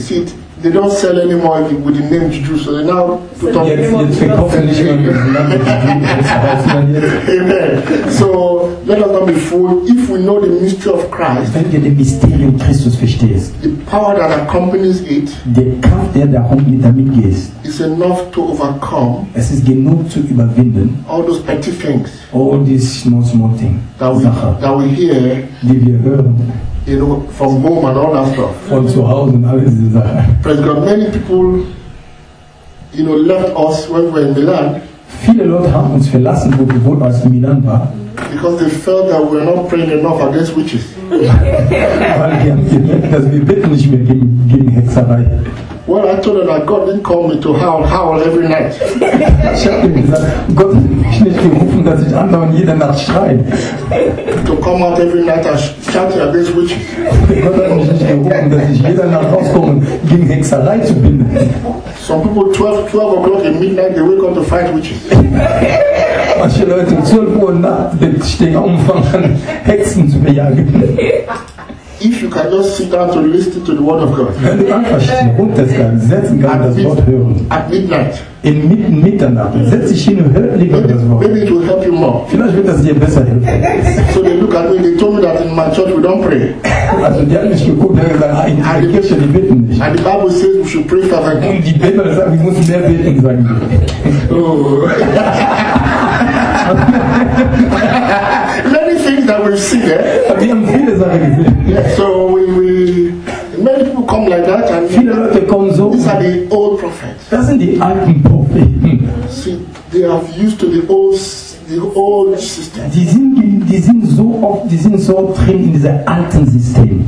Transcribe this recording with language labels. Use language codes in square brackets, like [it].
[en] See, they don't sell anymore with the name Jew, so they now put on. [de] Jetzt verkaufen nicht mehr mit dem Namen Jew. [en] Amen. So. Let us not be fooled. If we know the mystery of Christ, [de] wenn wir den Mysterium Christus verstehst, [en] the power that accompanies it, [de] der Kraft, der damit geht, [en] is enough to overcome. [de] Es ist genug zu überwinden. [en] All those petty things, all these small things that we hear, [de] die wir hören, [en] you know, from home and all that stuff, [de] von zu Hause und alles diese Sachen. [en] Praise God, many people, you know, left us when we were in Milan. [de] Viele Leute haben uns verlassen, wo wir wohnten, als wir in Milan waren. [en] Because they felt that we are not praying enough against witches. [de] Weil wir haben gemerkt, dass wir beten nicht mehr gegen Hexerei. [en] Well, I told them that God didn't call me to howl every night. [de] Ich habe ihm gesagt, Gott hat mich nicht gerufen, dass ich andauernd jede Nacht schreie. [en] To come out every night and shout against witches. [de] Gott hat mich nicht gerufen, dass ich jede Nacht rauskomme, gegen Hexerei zu binden. [en] Some people 12 o'clock at midnight, they wake up to fight witches. [de] Manche Leute 12 Uhr nachts stehen auf und fangen an, Hexen zu bejagen. [en] if you cannot sit down to listen to the word of God. [de] Wenn du einfach runter kannst, setzen kannst das Wort hören. [en] At midnight. [de] In Mitternacht. Setz dich hin und hör lieber das Wort. [en] Maybe it will help you more. [de] Vielleicht wird das dir besser helfen. [en] So they look at me, they told me that in my church we don't pray. [de] Also die haben mich geguckt, die haben gesagt, ah, in der Kirche, die beten nicht. [en] And the Bible says we should pray for them. [de] Die Bibel sagt, wir müssen mehr beten, sagen wir. [en] Many things that we've seen, eh? [de] Wir haben viele Sachen gesehen. [en] So we many people come like that, and [de] viele Leute kommen so. [en] These are the old prophets. [de] Das sind die alten Propheten. [en] See, they are used to the old system. [de] Die sind so drin in dieser alten System.